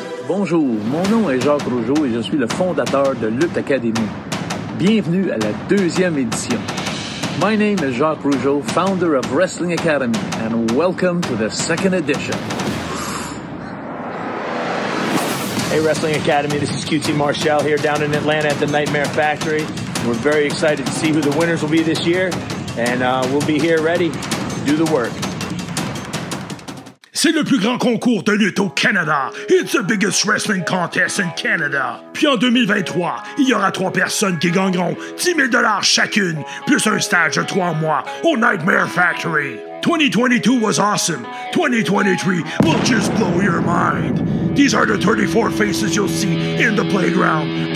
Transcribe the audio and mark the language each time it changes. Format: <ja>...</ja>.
<fr>Bonjour, mon nom est Jacques Rougeau et je suis le fondateur de Lutte Academy. Bienvenue à la deuxième édition.</fr> <en>My name is Jacques Rougeau, founder of Wrestling Academy, and welcome to the second edition. Hey, Wrestling Academy, this is QT Marshall here down in Atlanta at the Nightmare Factory. We're very excited to see who the winners will be this year, and we'll be here ready to do the work.</en> <fr>C'est le plus grand concours de lutte au Canada.</fr> <en>It's the biggest wrestling contest in Canada.</en> <fr>Puis en 2023, il y aura trois personnes qui gagneront 10 000 $ chacune, plus un stage de 3 mois au Nightmare Factory.</fr> <en>2022 was awesome. 2023 will just blow your mind. These are the 34 faces you'll see in the playground.</en>